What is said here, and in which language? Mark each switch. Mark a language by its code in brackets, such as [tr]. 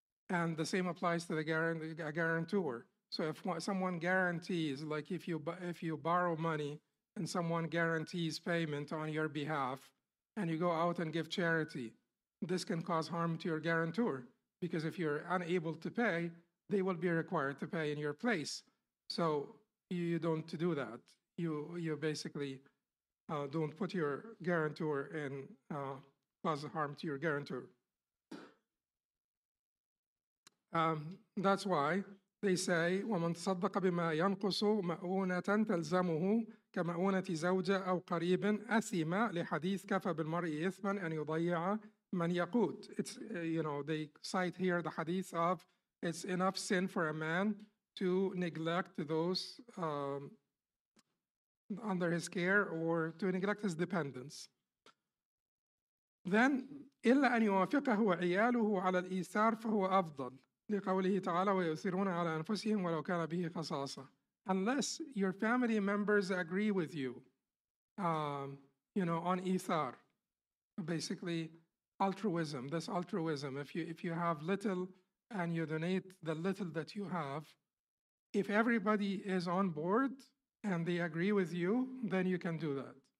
[en] And the same applies to the guarantor. So if someone guarantees, like if you borrow money and someone guarantees payment on your behalf and you go out and give charity, this can cause harm to your guarantor, because if you're unable to pay, they will be required to pay in your place. So you don't do that. You basically don't put your guarantor in, cause harm to your guarantor. That's why they say, [ar] وَمَنْ تَصَدَّقَ بِمَا يَنْقُصُ مَأُونَةً تَلْزَمُهُ كَمَأُونَةِ زَوْجَ أَوْ قَرِيبٍ أَثِيمَ لِحَدِيثِ كَفَى بِالْمَرْءِ إِثْمًا أَنْ يُضَيَّعَ مَنْ يَقُوتُ. [en] It's, they cite here the hadith of, it's enough sin for a man to neglect those under his care or to neglect his dependents. Then, [ar] إِلَّا أَنْ يُوَافِقَهُ وَعِيَالُهُ عَلَى الْإِيثَارِ فَهُوَ أَفْضَلُ لقوله تعالى ويؤثرون على أنفسهم ولو كان به خصاصة. [en] Unless your family members agree with you, on ithar, basically altruism. This altruism. If you have little and you donate the little that you have, if everybody is on board and they agree with you, then you can do that.